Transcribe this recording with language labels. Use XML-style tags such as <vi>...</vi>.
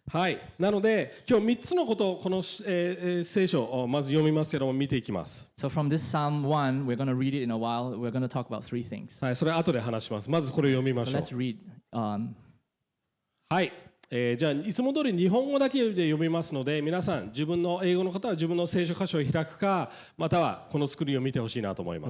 <ja>はい、なので今日3つのことをこの、聖書をまず読みますけども見ていきます。</ja> <en>So from this Psalm 1, we're going to read it in a while. We're going to talk about 3 things.</en> <ja>はい、それ後で話します。まずこれを読みましょう。</ja> <en>So let's read.</en> <ja>はい、じゃあいつも通り日本語だけで読みますので、皆さん自分の英語の方は自分の聖書箇所を開くか、またはこのスクリーンを見てほしいなと思います。</ja>